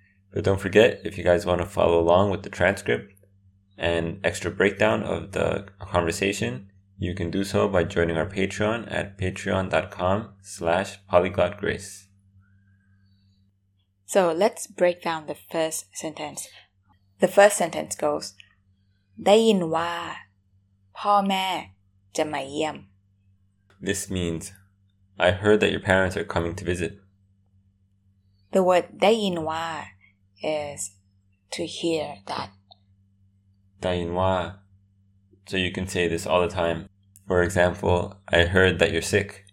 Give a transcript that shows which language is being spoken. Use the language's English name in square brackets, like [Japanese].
[English] But don't forget, if you guys want to follow along with the transcript and extra breakdown of the conversation, you can do so by joining our Patreon at patreon.com/polyglotgrace. So let's break down the first sentence. The first sentence goes, [Thai] ได้ยินว่าพ่อแม่จะมาเยี่ยม [English] This means... I heard that your parents are coming to visit. The word ได้ยินว่า is to hear that. [Thai] ได้ยินว่า. [English] So you can say this all the time. For example, I heard that you're sick.